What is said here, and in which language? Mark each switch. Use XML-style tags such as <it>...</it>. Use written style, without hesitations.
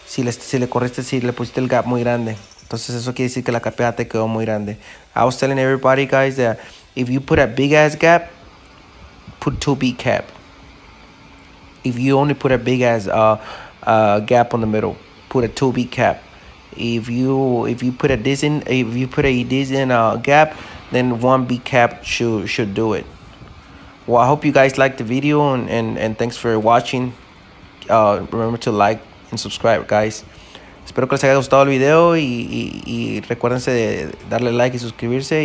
<es>Si le pusiste el gap muy grande, entonces eso quiere decir que la capeada te quedó muy grande.</es> <en>I was telling everybody, guys, that if you put a big ass gap, put 2B cap. If you only put a big ass gap on the middle, put a 2B cap. If you put a decent gap, then 1B cap should do it. Well, I hope you guys liked the video and thanks for watching. Remember to like and subscribe, guys.</en> <es>Espero que les haya gustado el video y recuérdense de darle like y suscribirse.</es>